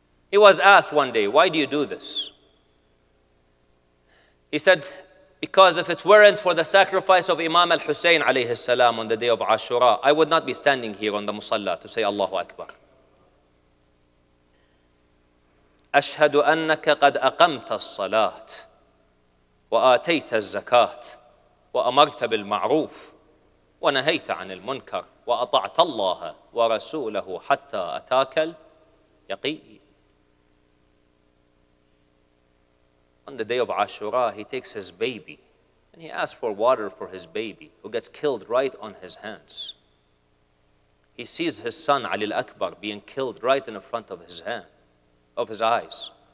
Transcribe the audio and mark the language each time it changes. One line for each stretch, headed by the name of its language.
English: He was asked one day, why do you do this? He said, because if it weren't for the sacrifice of Imam al-Husayn alayhi salam on the day of Ashura, I would not be standing here on the musalla to say Allahu Akbar.
Arabic: أشهد أنك قد أقمت الصلاة وآتيت الزكاة وأمرت بالمعروف ونهيت عن المنكر وأطعت الله ورسوله حتى أتاك اليقين.
English: On the day of Ashura, he takes his baby and he asks for water for his baby who gets killed right on his hands. He sees his son Ali al-Akbar being killed right in front of his hand, of his eyes.